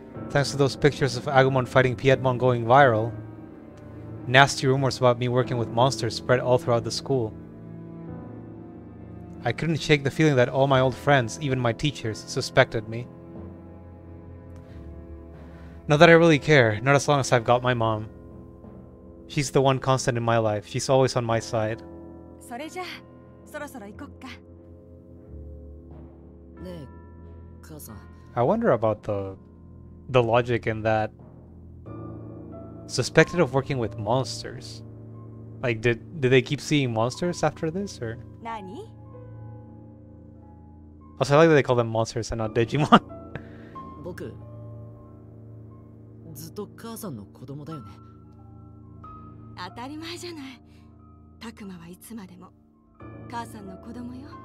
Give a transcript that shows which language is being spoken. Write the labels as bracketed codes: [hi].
[en] Thanks to those pictures of Agumon fighting Piedmon going viral, nasty rumors about me working with monsters spread all throughout the school. I couldn't shake the feeling that all my old friends, even my teachers, suspected me. Not that I really care, not as long as I've got my mom. She's the one constant in my life. She's always on my side. [ja] それじゃあ、そろそろ行こっか。ねえ、母さん。 [en] I wonder about the logic in that. Suspected of working with monsters. Like, did they keep seeing monsters after this, or? [ja] 何? [en] Also, I like that they call them monsters and not Digimon. [ja] 僕、ずっと母さんの子供だよね。当たり前じゃない。タクマはいつまでも母さんの子供よ。